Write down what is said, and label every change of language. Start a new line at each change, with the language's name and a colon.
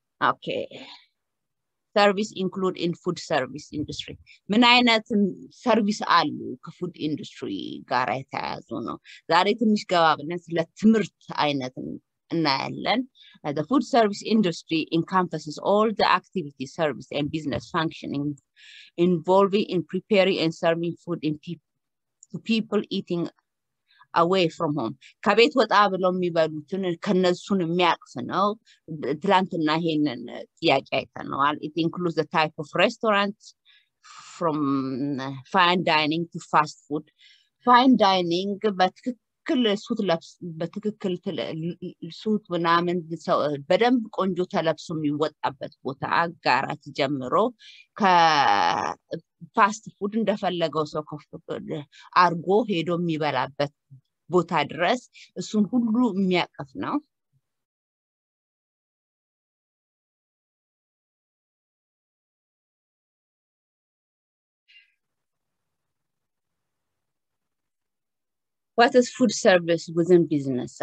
English: ኦኬ ሰርቪስ ኢንክሉድ ኢን ፉድ ሰርቪስ ኢንዱስትሪ።
Amharic: ምን አይነት ሰርቪስ አሉ ከፉድ ኢንዱስትሪ ጋር የተያያዙ ነው። ዛሬ ትንሽ ገባ ብለን ስለ ትምህርት አይነት እናያለን።
English: The food service industry encompasses all the activities, service and business functioning involving in preparing and serving food to people eating away from home
Amharic: ከቤት ወጣ ብለው የሚበሉትን ከነሱን የሚያቅፍ ነው። ትላንትና ይሄንን ጥያቄ አይተነዋል።
English: It includes the type of restaurants from fine dining to fast food.
Amharic: Fine dining በትክክል ሱት ለብስ በትክክል ሱት ምናምን ሰው በደንብ ቆንጆ ተለብሶ የሚወጣበት ቦታ አጋራት ጀምሮ ከፋስት ፉድ እንደፈለገው ሰው ከፍቶ አርጎ ሄዶ የሚበላበት ቦታ ድረስ እሱን ሁሉ የሚያቀፍ ነው።
English: What is food service within business?